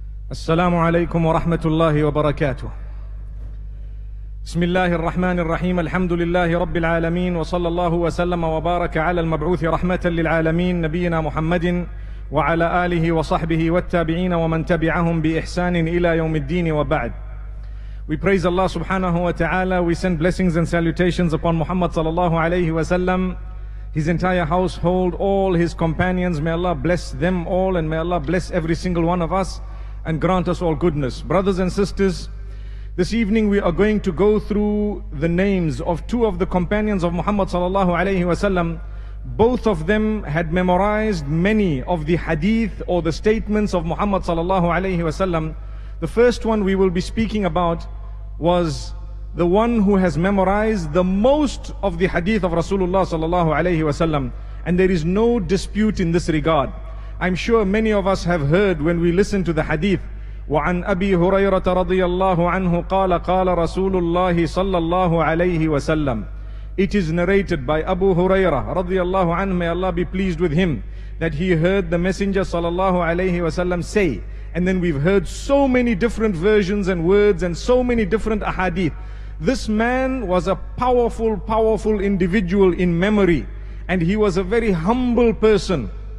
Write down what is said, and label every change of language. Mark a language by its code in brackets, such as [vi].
[ar] السلام عليكم ورحمة الله وبركاته بسم الله الرحمن الرحيم الحمد لله رب العالمين وصلى الله وسلم وبارك على المبعوث رحمة للعالمين نبينا محمد وعلى آله وصحبه والتابعين ومن تبعهم بإحسان إلى يوم الدين وبعد. [en] We praise Allah subhanahu wa ta'ala. We send blessings and salutations upon Muhammad sallallahu alayhi wa sallam, his entire household, all his companions. May Allah bless them all, and may Allah bless every single one of us and grant us all goodness. Brothers and sisters, this evening we are going to go through the names of two of the companions of Muhammad sallallahu alayhi wa sallam. Both of them had memorized many of the hadith or the statements of Muhammad sallallahu alayhi wa sallam. The first one we will be speaking about was the one who has memorized the most of the hadith of Rasulullah sallallahu alayhi wa sallam, and there is no dispute in this regard. I'm sure many of us have heard when we listen to the hadith. [ar] وعن أبي هريرة رضي الله عنه قال قال رسول الله صلى الله عليه وسلم. [en] It is narrated by Abu Hurairah [ar] رضي الله عنه, [en] may Allah be pleased with him, that he heard the Messenger [ar] صلى الله عليه وسلم [en] say. And then we've heard so many different versions and words and so many different ahadith. This man was a powerful, powerful individual in memory, and he was a very humble person.